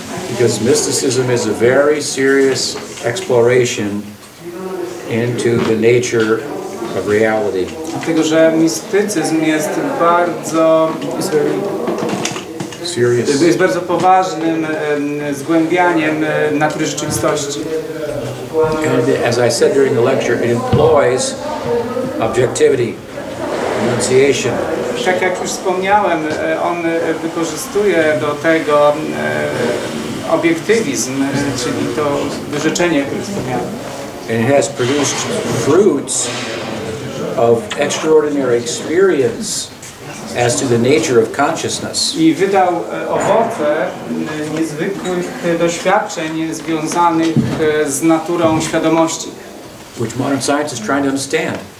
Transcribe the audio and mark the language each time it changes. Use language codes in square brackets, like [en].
[en] Because mysticism is a very serious exploration into the nature of reality. [pl] Dlatego, że mistycyzm jest bardzo [en] serious. [pl] Jest bardzo poważnym zgłębianiem natury rzeczywistości. [en] And as I said during the lecture, it employs objectivity, enunciation. [pl] Tak jak już wspomniałem, on wykorzystuje do tego obiektywizm, czyli to wyrzeczenie, które wspomniałem. [en] And it has produced fruits of extraordinary experience as to the nature of consciousness. [pl] I wydał owoce niezwykłych doświadczeń związanych z naturą świadomości. [en] Which modern science is trying to understand.